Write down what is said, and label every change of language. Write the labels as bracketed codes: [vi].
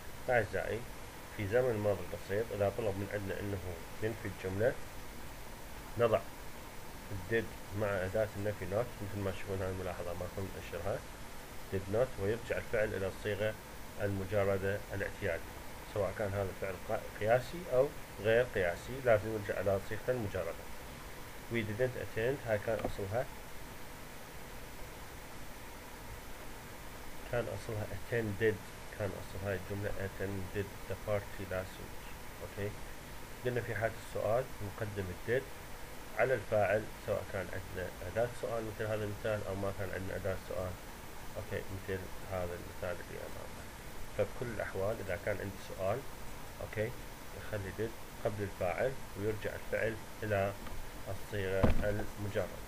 [ar] أعزائي في زمن الماضي البسيط إذا طلب من عندنا أنه ينفي الجملة نضع did مع أداة النفي not، مثل ما تشوفون هذه الملاحظة ما كنت أنشرها did not، ويرجع الفعل إلى الصيغة المجردة الاعتيادية، سواء كان هذا الفعل قياسي أو غير قياسي لازم يرجع إلى صيغة المجردة. [en] we didn't attend، [ar] هاي كان أصلها [en] attended، [ar] كان أصلها الجملة [en] attended the party last week. [ar] أوكي، قلنا في حالة السؤال مقدم did على الفاعل، سواء كان عندنا أداة سؤال مثل هذا المثال أو ما كان عندنا أداة سؤال أوكي مثل هذا المثال اللي أمامنا. فبكل الأحوال إذا كان عندي سؤال أوكي يخلي did قبل الفاعل ويرجع الفعل إلى الصيغة المجردة.